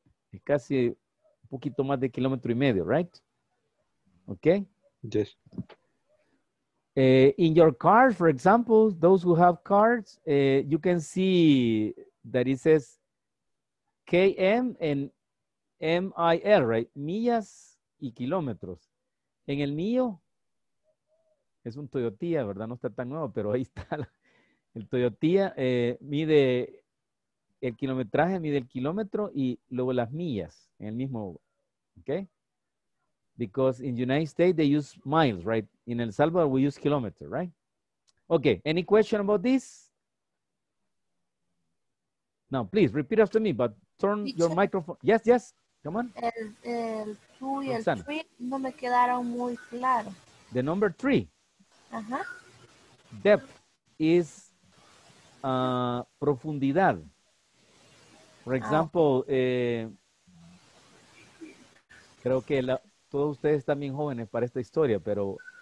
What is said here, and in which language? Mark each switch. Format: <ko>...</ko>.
<es>Es casi un poquito más de kilómetro y medio, right?</es> <en>Okay? Yes. In your car, for example, those who have cars, you can see that it says KM and M-I-L, right?</en> <es>Millas y kilómetros. En el mío, es un Toyota, ¿verdad? No está tan nuevo, pero ahí está. El Toyota mide el kilometraje, mide el kilómetro y luego las millas en el mismo, ¿ok?</es> <en>Because in United States, they use miles, right? In El Salvador, we use kilometers, right? Okay, any question about this? Now, please, repeat after me, but turn your microphone. Yes, yes. Come on.</en> <es>El two y el three no me quedaron muy claro.</es> <en>The number three. Uh-huh. Depth is profundidad. For example,</en> <es>creo que todos ustedes están bien jóvenes para esta historia, pero</es>